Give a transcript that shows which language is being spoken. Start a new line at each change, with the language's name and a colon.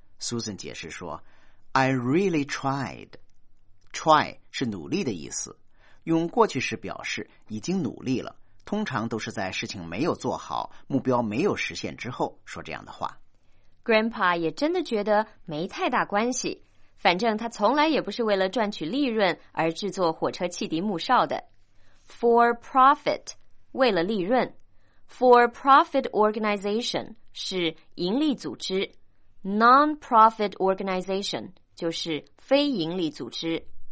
Chinese: Susan 解释说
English: I really tried，
Chinese: try 是努力的意思，用过去时表示已经努力了，通常都是在事情没有做好、目标没有实现之后说这样的话。 Grandpa 也真的觉得没太大关系，反正他从来也不是为了赚取利润而制作火车汽笛木哨的。
English: For profit，
Chinese: 为了利润。
English: For profit organization
Chinese: 是盈利组织。
English: Non-profit organization
Chinese: 就是非盈利组织。